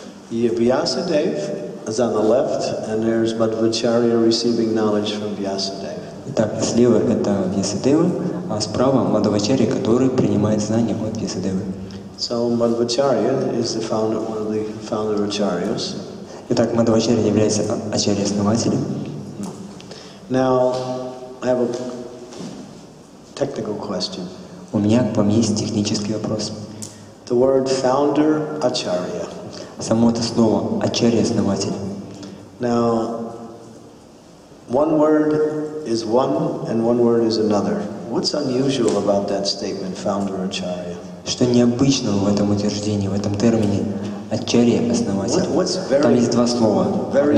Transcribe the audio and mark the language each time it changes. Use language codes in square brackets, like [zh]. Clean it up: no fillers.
[en] Yeah, Vyasadev is on the left, and there's Madhvacharya receiving knowledge from Vyasadev. [ru] Итак, слева это Вьясадева, а справа Мадхвачарья, который принимает знания от Вьясадевы. [en] So Madhvacharya is the founder, one of the founder acharyas. [ru] Итак, Мадхвачарья является ачарья-основателем. [en] Now, I have a technical question. [ru] У меня к вам есть технический вопрос. [en] The word founder acharya. [ru] Само это слово ачарья-основатель. [en] Now, one word is one and one word is another. What's unusual about that statement, founder acharya? [ru] Что необычного в этом утверждении, в этом термине? Ачарья основатель. Там есть два слова.